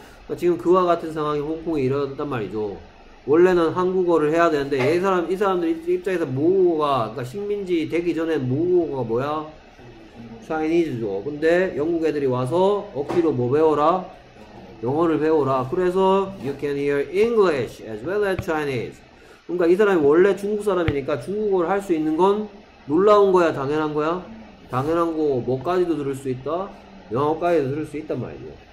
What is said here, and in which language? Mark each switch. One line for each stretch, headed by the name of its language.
Korean: 그러니까 지금 그와 같은 상황이 홍콩에 일어났단 말이죠. 원래는 한국어를 해야 되는데 이 사람들 입장에서 모국어가 그러니까 식민지 되기 전에 모국어가 뭐야? 차이니즈죠. 근데 영국 애들이 와서 억지로 뭐 배워라? 영어를 배워라. 그래서
English: you can hear English as well as Chinese.
Korean: 그러니까 이 사람이 원래 중국 사람이니까 중국어를 할 수 있는 건 놀라운 거야? 당연한 거야? 당연한 거 뭐까지도 들을 수 있다? 영어까지도 들을 수 있단 말이죠.